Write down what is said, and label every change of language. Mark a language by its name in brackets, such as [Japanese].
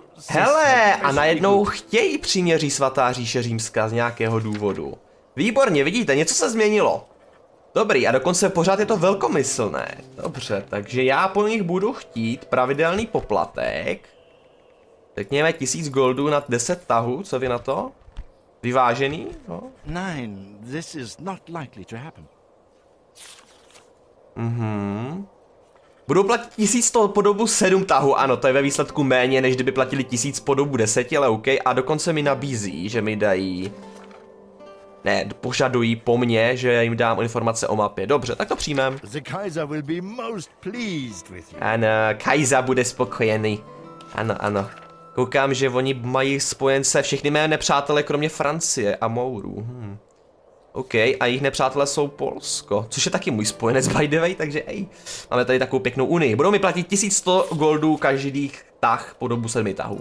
[Czech] Hele, a najednou chtějí příměří svatá říše římská z nějakého důvodu. Výborně, vidíte, něco se změnilo. Dobrý, a dokonce pořád je to velkomyslné. Dobře, takže já po nich budu chtít pravidelný poplatek. Řekněme 1000 goldů na 10 tahů, co vy na to? Vyvážený? No. [English] Nein, this is not likely to happen. [Czech] Budou platit 1100 po dobu 7 tahů, ano, to je ve výsledku méně, než kdyby platili 1000 po dobu 10, ale OK. A dokonce mi nabízí, že mi dají... Ne, požadují po mně, že já jim dám informace o mapě. Dobře, tak to přijmem. [English] The Kaiser will be most pleased with you. [Czech] Ano, Kaiser bude spokojený. Ano, ano. Koukám, že oni mají spojence všechny mé nepřátelé, kromě Francie a Mourů. OK, a jejich nepřátelé jsou Polsko, což je taky můj spojenec, [English] by the way, [Czech] takže ej. Máme tady takovou pěknou unii. Budou mi platit 1100 goldů každých tah po dobu 7 tahů.